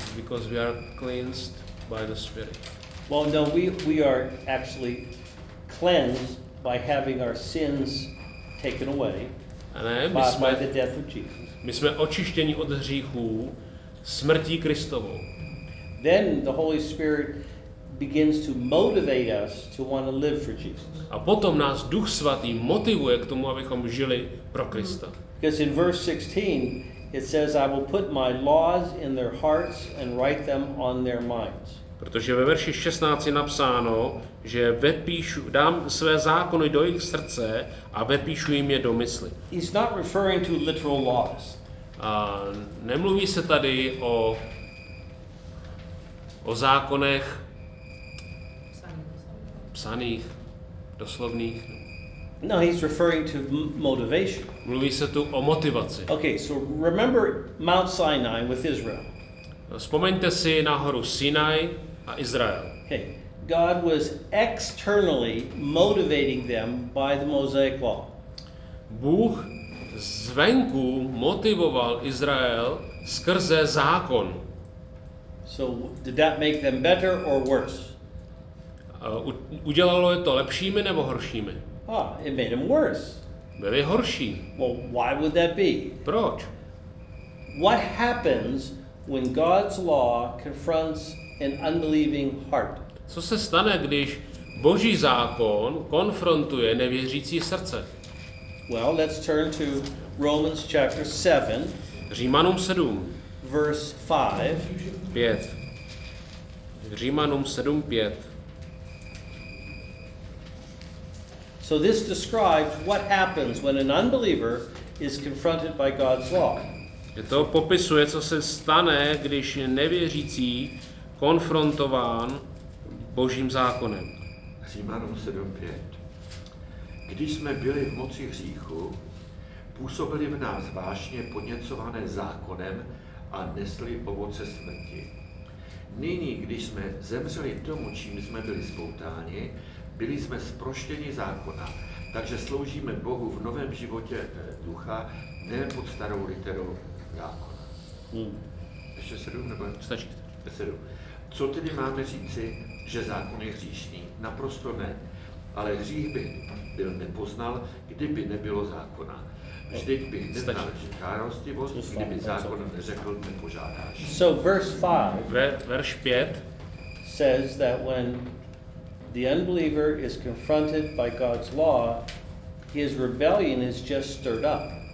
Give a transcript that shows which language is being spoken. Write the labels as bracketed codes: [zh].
[en] Because we are cleansed by the Spirit. Well, no, we are actually cleansed by having our sins taken away, [cs] ne, [en] by the death of Jesus. [cs] My jsme očištěni od hříchů smrtí Kristovou. [en] Then the Holy Spirit begins to motivate us to want to live for Jesus. [cs] A potom nás Duch svatý motivuje k tomu, abychom žili pro Krista. [en] Because in verse 16 it says, I will put my laws in their hearts and write them on their minds. [cs] Protože ve verši 16 je napsáno, že vepíšu, dám své zákony do jejich srdce a vepíšu jim je do mysli. [en] He's not referring to literal laws. [cs] Nemluví se tady o zákonech psaných, doslovných. [en] No, he's referring to motivation. [cs] Mluví se tu o motivaci. [en] Okay, so remember Mount Sinai with Israel. [cs] Vzpomeňte si na horu Sinai a Izrael. Okay. [en] God was externally motivating them by the Mosaic law. [cs] Bůh zvenku motivoval Izrael skrze zákon. [en] So did that make them better or worse? [cs] Udělalo je to lepšími nebo horšími? [en] Ah, it made them worse. [cs] Byli horší. [en] Well, why would that be? [cs] Proč? [en] What happens when God's law confronts an unbelieving heart? [cs] Co se stane, když Boží zákon konfrontuje nevěřící srdce? [en] Well, let's turn to Romans chapter 7. [cs] Římanům 7. [en] Verse 5. [cs] Římanům 7, 5. [en] So this describes what happens when an unbeliever is confronted by God's law. [cs] To popisuje, co se stane, když je nevěřící konfrontován Božím zákonem. Římanům 7:5. Když jsme byli v moci hříchu, působili v nás vášně podněcované zákonem a nesli ovoce smrti. Nyní, když jsme zemřeli tomu, čím jsme byli spoutáni, byli jsme zproštěni zákona, takže sloužíme Bohu v novém životě ducha, ne pod starou literou zákona. Ještě 7 nebo? Stačí. 7. Co tedy máme říci, že zákon je hříšný? Naprosto ne. Ale hřích by byl nepoznal, kdyby nebylo zákona. Vždyť bych neznal žádostivost, kdyby zákon neřekl, nepožádáš. [en] So verse 5. [cs] Verš 5. [en] Says that when the unbeliever is confronted by God's law, his rebellion is just stirred up.